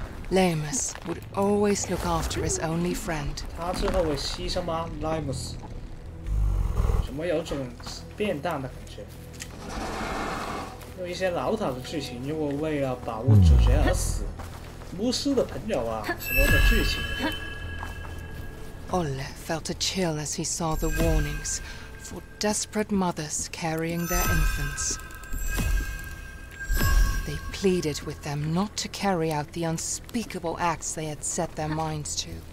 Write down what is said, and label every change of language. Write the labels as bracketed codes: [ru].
[en] Lamus would always look after his only friend. [zh] 他最后会牺牲吗 Lamus 怎么有种变淡的感觉，有一些老套的剧情，如果为了保护主角而死，巫师的朋友啊什么的剧情。 [en] Olle felt a chill as he saw the warnings for desperate mothers carrying their infants. They pleaded with them not to carry out the unspeakable acts they had set their minds to.